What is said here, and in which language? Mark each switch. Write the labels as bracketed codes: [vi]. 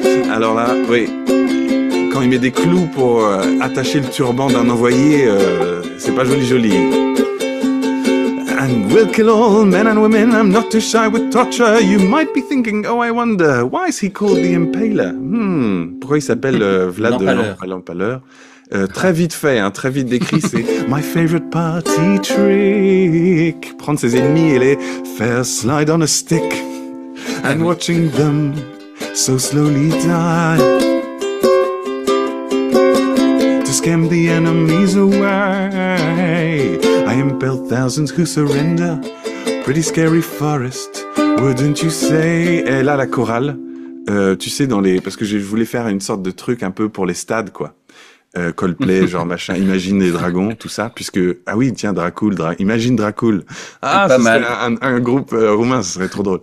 [fr] Alors là, oui, quand il met des clous pour attacher le turban d'un envoyé, c'est pas joli joli. [en] And we'll kill all men and women, I'm not too shy with torture. You might be thinking, oh I wonder, why is he called the Impaler? [fr] Pourquoi il s'appelle Vlad L'empaleur. l'Empaleur? Très vite fait, hein, très vite décrit, c'est [en] My favorite party trick. [fr] Prendre ses ennemis et les faire [en] slide on a stick. And watching them so slowly die. To scam the enemies away. I impaled thousands who surrender. Pretty scary forest, wouldn't you say? [fr] Et là, la chorale, tu sais, dans les, parce que je voulais faire une sorte de truc un peu pour les stades, quoi. Coldplay, genre machin, imagine les dragons, tout ça, puisque, ah oui, tiens, Dracul, imagine Dracul. Ah, pas mal. Un groupe roumain, ce serait trop drôle.